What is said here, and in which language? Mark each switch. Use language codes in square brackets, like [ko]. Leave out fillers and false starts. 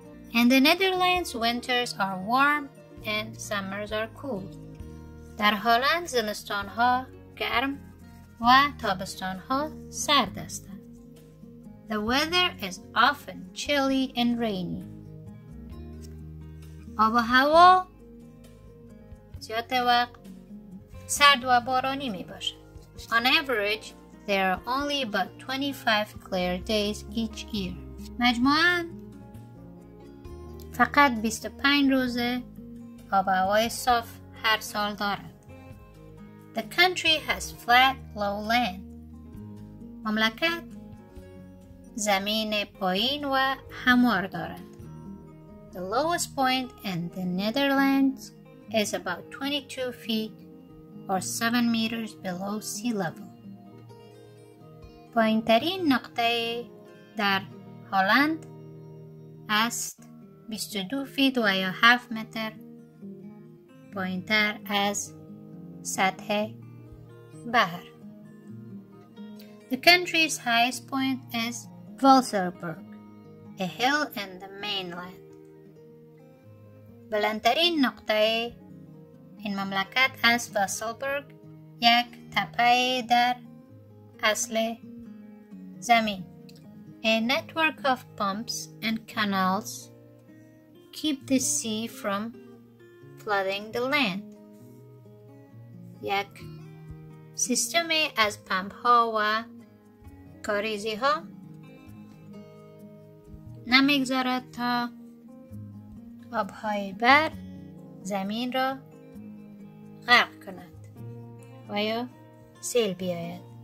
[en] In the Netherlands, winters are warm and summers are cool. [fa] در هالند زمستان ها گرم و تابستان ها سرد هستند. [en] The weather is often chilly and rainy. [fa] آب و هوا زیاد وقت سرد و بارانی می باشد. [en] On average, there are only about 25 clear days each year. [fa] مجموعاً فقط 25 روز آب و هوای صاف هر سال دارد. [en] The country has flat, low land. [fa] مملکت زمین پایین و هموار دارد. [en] The lowest point in the Netherlands is about 22 feet or 7 meters below sea level. [fa] پایین ترین نقطه در هالند است 22 فیت و یا 7 متر پایین تر از سطح بحر. [en] The country's highest point is Valserberg, a hill in the mainland. [fa] بلندترین نقطه این مملکت از Valserberg یک تپه در اصل زمین. [en] A network of pumps and canals keep the sea from flooding the land. [fa] یک سیستم از پمپ ها و کاریزی ها نمیگذارد تا آبهای بر زمین را غرق کند و یا سیل بیاید.